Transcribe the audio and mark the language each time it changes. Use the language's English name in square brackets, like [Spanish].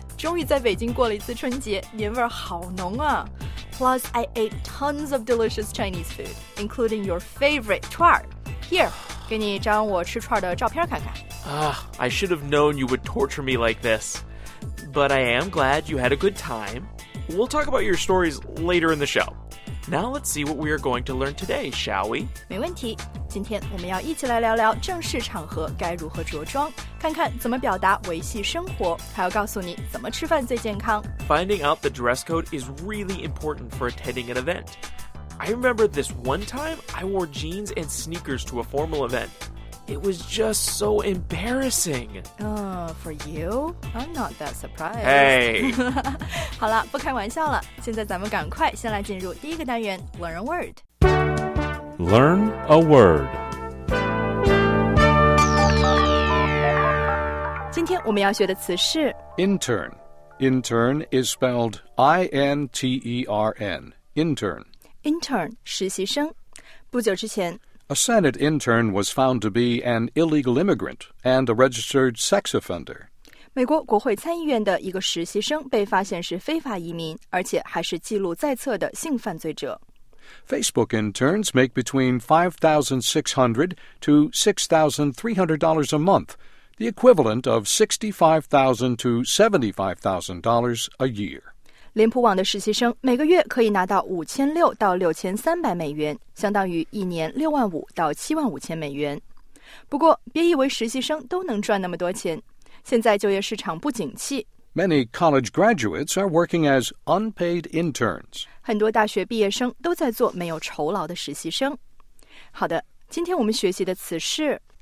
[Chinese] 终于在北京过了一次春节，年味儿好浓啊 ！ [English] Plus, I ate tons of delicious Chinese food, including your favorite 串儿。 [Chinese] Here, 给你一张我吃串儿的照片看看。 [English] I should have known you would torture me like this. But I am glad you had a good time. We'll talk about your stories later in the show. Now let's see what we are going to learn today, shall we? [Chinese] 没问题。今天我们要一起来聊聊正式场合该如何着装，看看怎么表达维系生活，还要告诉你怎么吃饭最健康。 [English] Finding out the dress code is really important for attending an event. I remember this one time I wore jeans and sneakers to a formal event. It was just so embarrassing. For you? I'm not that surprised. Hey! [Chinese] 好了，不开玩笑了。现在咱们赶快先来进入第一个单元 Learn a Word. [English] Learn a Word. [Chinese] 今天我们要学的词是 [English] Intern. Intern is spelled I-N-T-E-R-N. Intern. [Chinese] Intern, 实习生。不久之前 [English] A Senate intern was found to be an illegal immigrant and a registered sex offender. [Chinese] 美国国会参议院的一个实习生被发现是非法移民，而且还是记录在册的性犯罪者。 [English] Facebook interns make between $5,600 to $6,300 a month, the equivalent of $65,000 to $75,000 a year. [Chinese] 脸谱网的实习生每个月可以拿到5600到6300美元，相当于一年65000到75000美元。不过，别以为实习生都能赚那么多钱。现在就业市场不景气。 [English] Many college graduates are working as unpaid interns. [Chinese] 很多大学毕业生都在做没有酬劳的实习生。好的，今天我们学习的词是